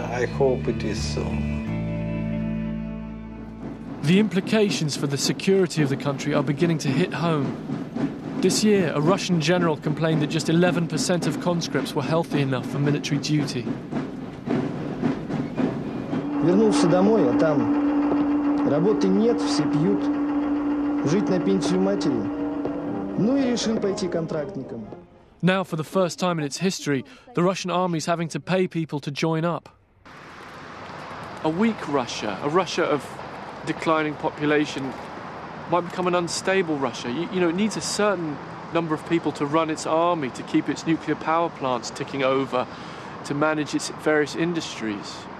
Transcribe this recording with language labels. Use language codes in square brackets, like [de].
[en] I hope it is so. The implications for the security of the country are beginning to hit home. This year, a Russian general complained that just 11% of conscripts were healthy enough for military duty. [ru] Вернулся домой, а там работы нет, все пьют. Жить на пенсию матери. Ну и решил пойти контрактником. [en] Now, for the first time in its history, the Russian army is having to pay people to join up. A weak Russia, a Russia of declining population, might become an unstable Russia. You know, it needs a certain number of people to run its army, to keep its nuclear power plants ticking over, to manage its various industries.